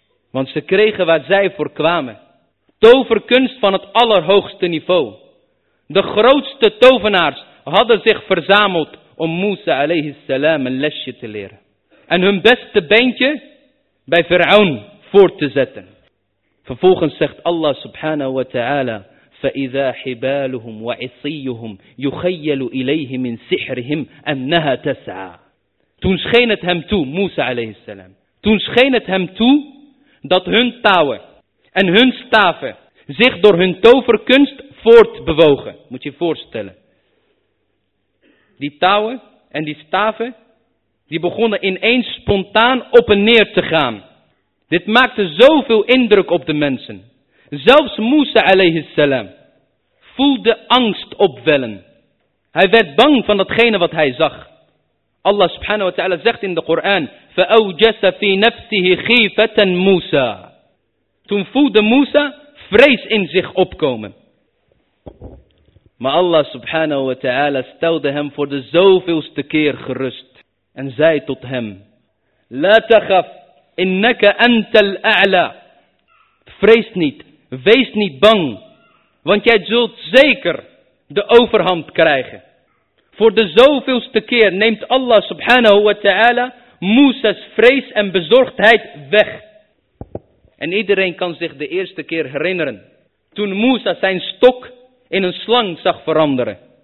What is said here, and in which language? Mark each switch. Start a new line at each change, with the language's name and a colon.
Dutch: Want ze kregen waar zij voor kwamen. Toverkunst van het allerhoogste niveau. De grootste tovenaars hadden zich verzameld om Musa alayhi salam een lesje te leren. En hun beste beentje bij Firaun voor te zetten. Vervolgens zegt Allah subhanahu wa ta'ala,
Arabic: فَإِذَا حِبَالُهُمْ وَعِصِيُّهُمْ يُخَيَّلُ إِلَيْهِ مِنْ سِحْرِهِمْ أَنَّهَا تَسْعَى.
Dutch: Toen scheen het hem toe, Musa alayhi salam. Toen scheen het hem toe dat hun touwen en hun staven zich door hun toverkunst voortbewogen. Moet je je voorstellen. Die touwen en die staven, die begonnen ineens spontaan op en neer te gaan. Dit maakte zoveel indruk op de mensen. Zelfs Musa alayhi salam voelde angst opwellen. Hij werd bang van datgene wat hij zag. Allah subhanahu wa ta'ala zegt in de Koran,
Arabic: فَأَوْجَسَ فِي نَفْسِهِ خِيفَةً مُوسَى.
Dutch: Toen voelde Musa vrees in zich opkomen. Maar Allah subhanahu wa ta'ala stelde hem voor de zoveelste keer gerust. En zei tot hem,
Arabic: لَا تَخَفْ إِنَّكَ أَنْتَ الْأَعْلَى.
Dutch: Vrees niet, wees niet bang, want jij zult zeker de overhand krijgen. Voor de zoveelste keer neemt Allah subhanahu wa ta'ala Musa's vrees en bezorgdheid weg. En iedereen kan zich de eerste keer herinneren. Toen Musa zijn stok in een slang zag veranderen.